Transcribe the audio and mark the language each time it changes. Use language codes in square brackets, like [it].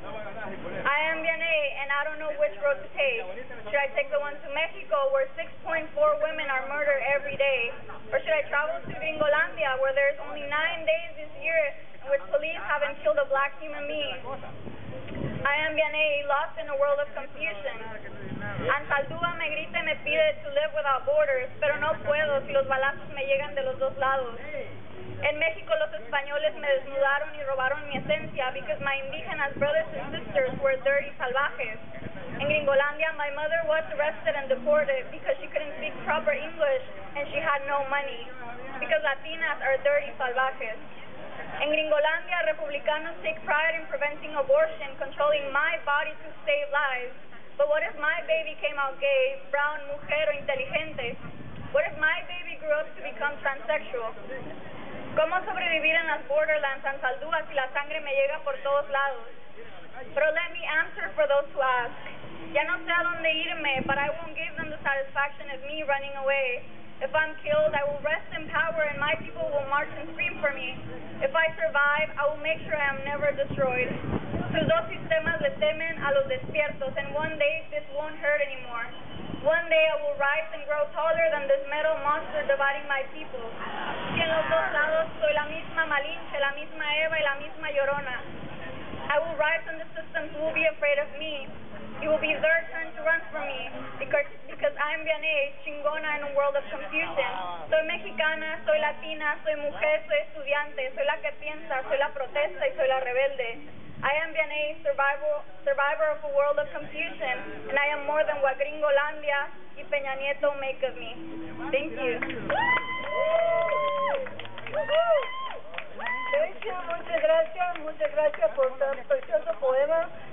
[en] I am Vianey, and I don't know which road to take. Should I take the one to Mexico, where 6.4 women are murdered every day? Or should I travel to Gringolandia, where there's only 9 days this year in which police haven't killed a black human being? I am Vianey, lost in a world of confusion. [es] Ansaldúa me grita y me pide [en] to live without borders, [es] pero no puedo si los balazos me llegan de los dos lados. En México los españoles me desnudaron y robaron mi esencia [en] because my indígenas brothers and sisters were dirty salvajes. En Gringolandia, my mother was arrested and deported because she couldn't speak proper English and she had no money because Latinas are dirty salvajes. En Gringolandia, republicanos take pride in preventing abortion, controlling my body to save lives. But what if my baby came out gay, brown, [es] mujer, o inteligente? [en] What if my baby grew up to become transsexual? [es] ¿Cómo sobrevivir en las borderlands en Saldúa si la sangre me llega por todos lados? Pero [en] let me answer for those who ask. [es] Ya no sé a dónde irme, [en] but I won't give them the satisfaction of me running away. If I'm killed, I will rest in power and my people will march and scream for me. If I survive, I will make sure I am never destroyed. [es] Sus dos sistemas le temen a los despiertos, [en] and one day this won't hurt anymore. One day I will rise and grow taller than this metal monster dividing my people. [es] Y en los dos lados soy la misma Malinche, la misma Eva y la misma Llorona. [en] I will rise and the systems will be afraid of me. It will be their turn to run for me because I'm Vianey, chingona in a world of confusion. [es] Soy mexicana, soy latina, soy mujer, soy estudiante, soy la que piensa, soy la protesta y soy la rebelde. [en] I am Vianey, survivor of a world of confusion, and I am more than what Gringolandia y Peña Nieto make of me. Thank you. Thank you, [es] muchas gracias por tan precioso poema.